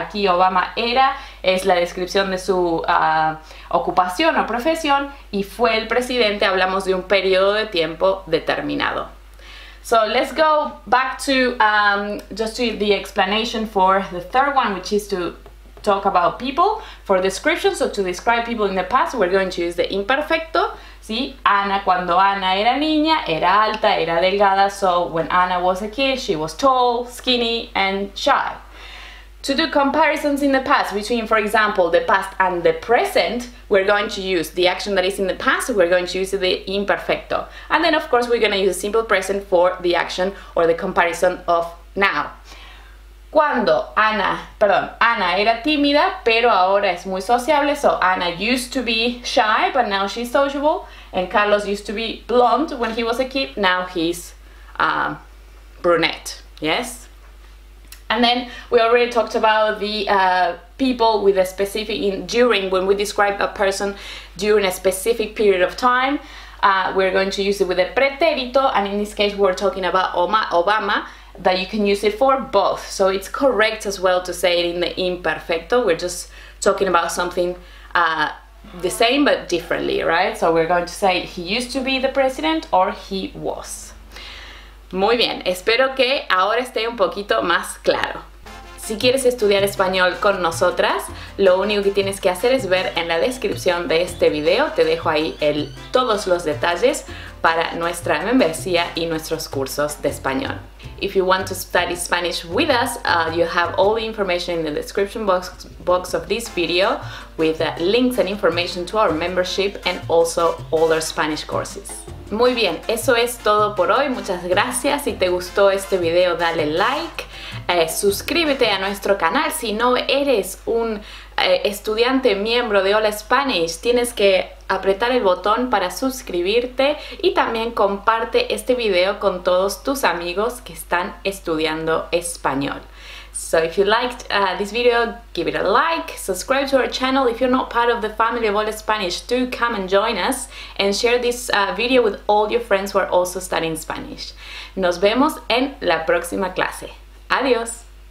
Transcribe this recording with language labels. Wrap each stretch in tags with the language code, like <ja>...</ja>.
<es>Aquí Obama era, es la descripción de su ocupación o profesión, y fue el presidente, hablamos de un periodo de tiempo determinado.</es> <en>So let's go back to just to the explanation for the third one, which is to talk about people for description. So to describe people in the past, we're going to use the imperfecto.</en> <es>¿Sí? Ana, cuando Ana era niña, era alta, era delgada.</es> <en>So when Ana was a kid, she was tall, skinny, and shy. To do comparisons in the past between, for example, the past and the present, we're going to use the action that is in the past, we're going to use the imperfecto. And then, of course, we're going to use the simple present for the action or the comparison of now.</en> <es>Ana era tímida, pero ahora es muy sociable.</es> <en>So, Ana used to be shy, but now she's sociable. And Carlos used to be blonde when he was a kid. Now he's brunette, yes? And then we already talked about the people with a specific, during, when we describe a person during a specific period of time. We're going to use it with a pretérito, and in this case we're talking about Obama, that you can use it for both. So it's correct as well to say it in the imperfecto. We're just talking about something the same but differently, right? So we're going to say he used to be the president or he was.</en> <es>Muy bien, espero que ahora esté un poquito más claro. Si quieres estudiar español con nosotras, lo único que tienes que hacer es ver en la descripción de este video. Te dejo ahí todos los detalles para nuestra membresía y nuestros cursos de español.</es> <en>If you want to study Spanish with us, you have all the information in the description box of this video with links and information to our membership and also all our Spanish courses.</en> <es>Muy bien, eso es todo por hoy. Muchas gracias. Si te gustó este video, dale like. Suscríbete a nuestro canal. Si no eres un estudiante miembro de Hola Spanish, tienes que apretar el botón para suscribirte y también comparte este video con todos tus amigos que están estudiando español.</es> <en>So if you liked this video, give it a like, subscribe to our channel. If you're not part of the family of Hola Spanish, do come and join us and share this video with all your friends who are also studying Spanish.</en> <es>Nos vemos en la próxima clase. Adiós.</es>